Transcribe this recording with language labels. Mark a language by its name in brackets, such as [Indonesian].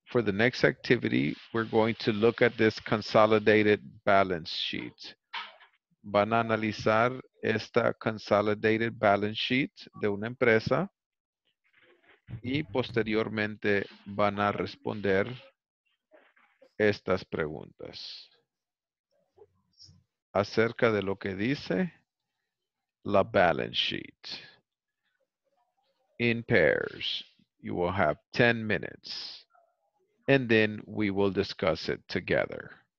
[English] for the next activity, we're going to look at this consolidated balance sheet. [Spanish] Van a analizar esta consolidated balance sheet de una empresa y posteriormente van a responder estas preguntas acerca de lo que dice la balance sheet. [English] In pairs, you will have 10 minutes and then we will discuss it together.